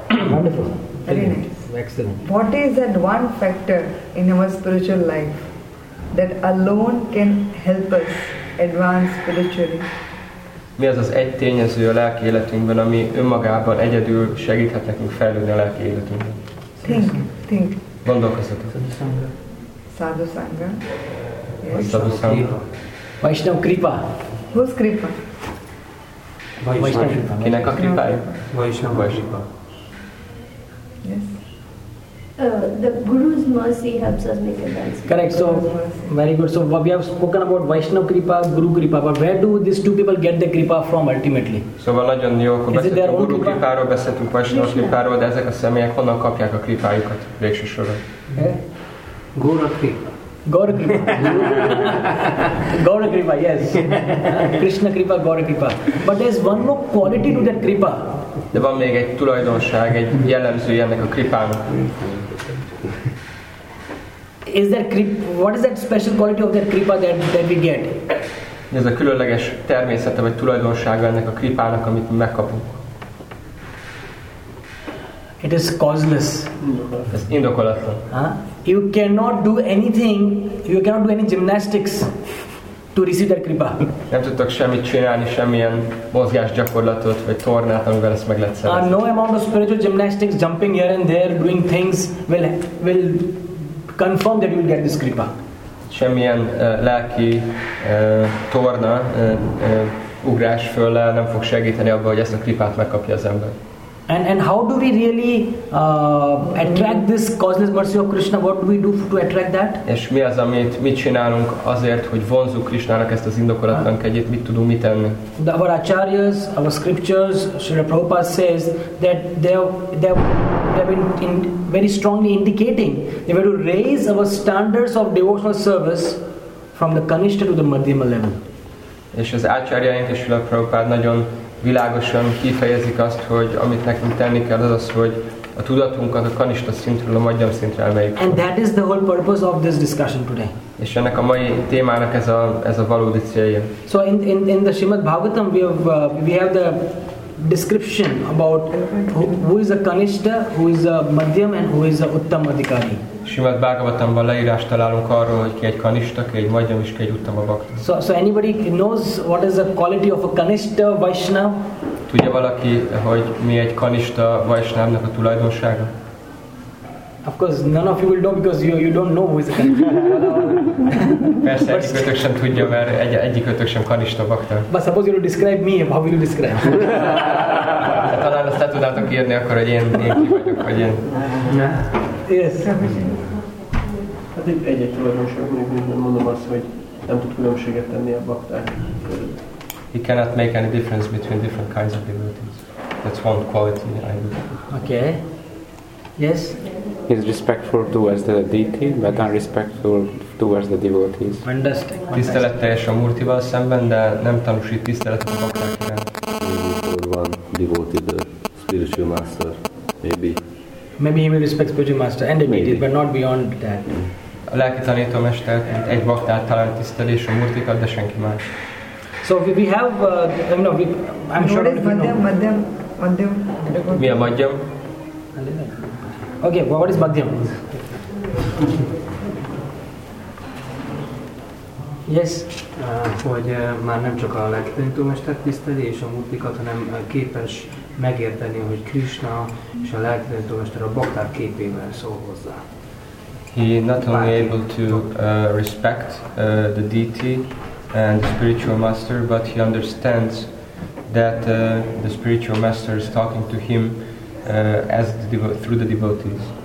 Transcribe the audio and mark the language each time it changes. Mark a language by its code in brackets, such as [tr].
[en] Wonderful. Very nice. Excellent. What is that one factor in our spiritual life that alone can help us advance spiritually? [hu] Mi az az egy tényező a lelki életünkben, ami önmagában egyedül segíthet nekünk fejlődni a lelki életünkben? [en] Think. [hu] Gondolkozzatok. [sa] Sadhusanga. [hu] Ma is nem kripa. [en] Who's kripa? [hu] Vajisnava. Kinek a kripája? Vajisnava. [en] Yes. The Guru's mercy helps us make advancement. Correct. So, very good. So, we have spoken about Vaishnava kripa, Guru kripa. But where do these two people get the kripa from ultimately? [hu] So, nagyon jó, akkor beszéltünk Guru kripáról, beszéltünk Vaishnava kripáról, de ezek a személyek honnan kapják a kripájukat végső soron? [en] Guru kripa. Gaura kripa, yes. Krishna kripa, Gaura kripa. But there's one more quality to that kripa. [hu] De van még egy tulajdonság, egy jellemző ennek a kripának. [en] Is that kripa? What is that special quality of that kripa that we get? [hu] Ez a különleges természete vagy tulajdonsága ennek a kripának, amit mi megkapunk. [en] It is causeless. [hu] Ez indokolatlan. [en] You cannot do anything, you cannot do any gymnastics to receive that kripa. [hu] Nem tudtok semmit csinálni, semmilyen mozgás gyakorlatot vagy tornát, amivel ezt meg lehet szerezni. [en] No amount of spiritual gymnastics, jumping here and there, doing things will confirm that you will get this kripa. [hu] Semmilyen lelki torna, ugrás föllel nem fog segíteni abban, hogy ezt a kripát megkapja az ember. [en] And how do we really attract this causeless mercy of Krishna? What do we do to attract that? [hu] És mi az, amit mit csinálunk azért, hogy vonzuk Krishnának ezt az indokolatlan kegyét? Mit tudunk mit tenni? [en] The our acharyas, our scriptures, Srila Prabhupada says that they have been very strongly indicating they were to raise our standards of devotional service from the Kanishtha to the Madhyama level. [hu] És az acharyaink és Srila Prabhupada nagyon világosan kifejezik azt, hogy amit nekünk tenni kell, az az, hogy a tudatunkat a kanista szintről a madhyam szintre emeljük. [en] And that is the whole purpose of this discussion today. [hu] És ennek a mai témának ez a valódi célja. [en] So in the Srimad Bhagavatam we have the description about who is a kanista, who is a madhyam and who is a uttam adhikari. [hu] Srimad Bhagavatamban leírást találunk arról, hogy ki egy kanista, ki egy madhyam és ki egy uttama bhakta. [en] So anybody knows what is the quality of a kanista vaishnav? [hu] Tudja valaki, hogy mi egy kanista vaishnavnak a tulajdonsága? [en] Of course none of you will know because you don't know who is a kanista. [hu] Persze egyikötök sem tudja, mert egyikötök sem kanista bhakta. [en] But suppose you will describe me, how will you describe? [hu] Talán azt le tudnátok írni akkor, hogy én ki vagyok, vagy én. [en] Yes. [hu] Hát egy-egy tulajdonság, nem mondom azt, hogy nem tud különbséget tenni a bhakták. [en] He cannot make any difference between different kinds of devotees. That's one quality I would. Okay. Yes. He's respectful towards the deity, but unrespectful towards the devotees. Fantastic. [hu] Tiszteletteljes a murtival szemben, de nem tanúsít tiszteletet a bhakták iránt. [en] Or one devotee, the spiritual master, maybe. Maybe he will respect spiritual master and a deity, but not beyond that. [hu] A lelki tanító mester egy baktát talán tiszteli, és a murtikat, de senki más. [en] So we have, I'm sure that you know. Madhyam. [hu] Mi a madhyam? [en] Okay, what is madhyam? Yes. [hu] Hogy már nem csak a lelki tanító mester tiszteli, és a murtikat, hanem képes megérteni, hogy Krishna és a lelki tanító mester a bhakták képével szól hozzá. [en] He not only able to respect the deity and the spiritual master, but he understands that the spiritual master is talking to him as the through the devotees.